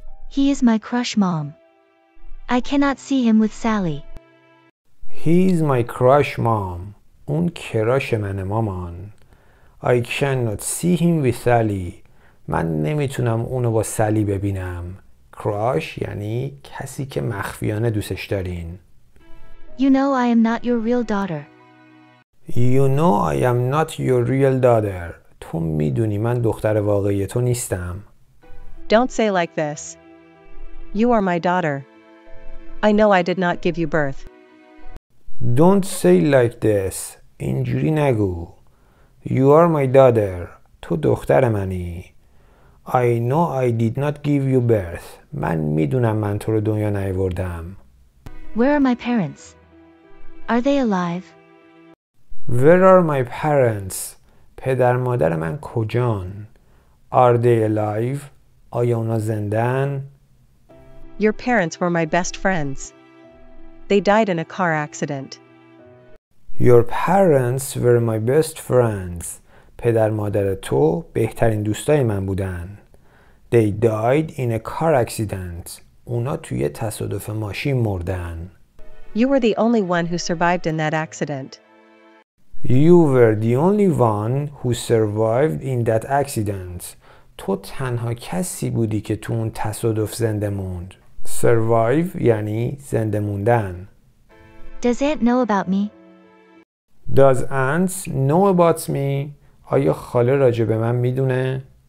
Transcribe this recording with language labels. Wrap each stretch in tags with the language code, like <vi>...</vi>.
<en>He is my crush, mom. I cannot see him with Sally. He's my crush, mom.</en> <fa>اون کراش منه, مامان.</fa> <en>I cannot see him with Sally.</en> <fa>من نمیتونم اونو با سالی ببینم. Crush یعنی کسی که مخفیانه دوستش دارین.</fa> <en>You know I am not your real daughter. You know I am not your real daughter.</en> <fa>تو میدونی من دختر واقعی تو نیستم.</fa> <en>Don't say like this. You are my daughter. I know I did not give you birth. Don't say like this.</en> <fa>اینجوری نگو.</fa> <en>You are my daughter.</en> <fa>تو دختر منی.</fa> <en>I know I did not give you birth.</en> <fa>من میدونم من تو رو دنیا نیاوردم.</fa> <en>Where are my parents? Are they alive? Where are my parents?</en> <fa>پدر مادر من کجان؟</fa> <en>Are they alive?</en> <fa>آیا اونا زندن؟</fa> <en>Your parents were my best friends. They died in a car accident. Your parents were my best friends.</en> <fa>پدر مادر تو بهترین دوستای من بودن.</fa> <en>They died in a car accident.</en> <fa>اونا توی تصادف ماشین مردن.</fa> <en>You were the only one who survived in that accident. You were the only one who survived in that accident.</en> <fa>تو تنها کسی بودی که تو اون تصادف زنده موند. Survive یعنی زنده موندن.</fa> <en>Does aunt know about me? Does aunt know about me?</en> <fa>آیا خاله راجع به من میدونه؟</fa>